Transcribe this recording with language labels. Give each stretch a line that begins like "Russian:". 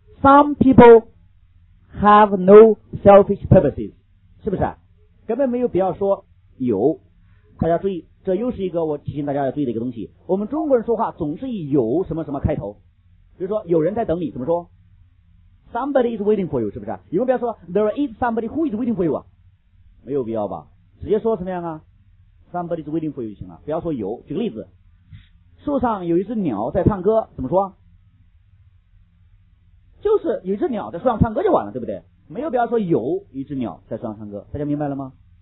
English: Some people have no selfish purposes，
Chinese: 是不是？根本没有必要说有。大家注意，这又是一个我提醒大家要注意的一个东西。我们中国人说话总是以有什么什么开头，比如说有人在等你，怎么说？
English: Somebody is waiting for you，
Chinese: 是不是？有没有必要说
English: There is somebody who is waiting for you
Chinese: 啊？没有必要吧，直接说什么样啊？
English: Somebody is waiting for you
Chinese: 就行了，不要说有。举个例子，树上有一只鸟在唱歌，怎么说？就是有一只鸟在树上唱歌就完了，对不对？没有必要说有一只鸟在树上唱歌，大家明白了吗？